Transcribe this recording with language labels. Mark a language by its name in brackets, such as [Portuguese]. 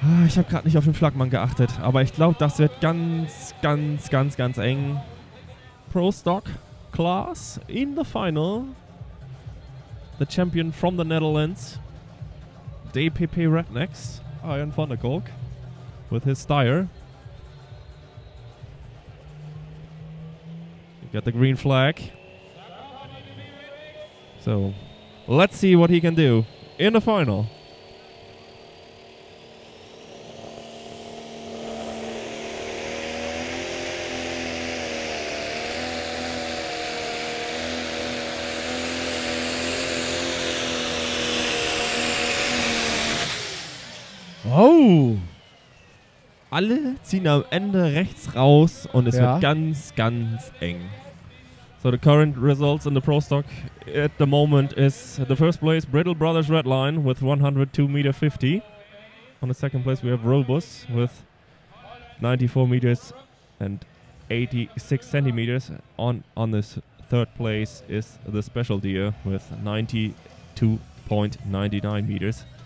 [German] Ich habe gerade nicht auf den Flaggmann geachtet, aber ich glaube, das wird ganz, ganz, ganz, ganz eng. [English] Pro Stock class in the final. The champion from the Netherlands, DPP Rednecks, Arjen van der Kolk, with his Steyr. You got the green flag. So, let's see what he can do in the final. Oh! [German] Alle ziehen am Ende rechts raus und es wird ganz, ganz eng. [English] So the current results in the Pro Stock at the moment is the first place Brittle Brothers Redline with 102.50 meters. On the second place we have Robus with 94.86 meters. On this third place is the Special Deer with 92.99 meters.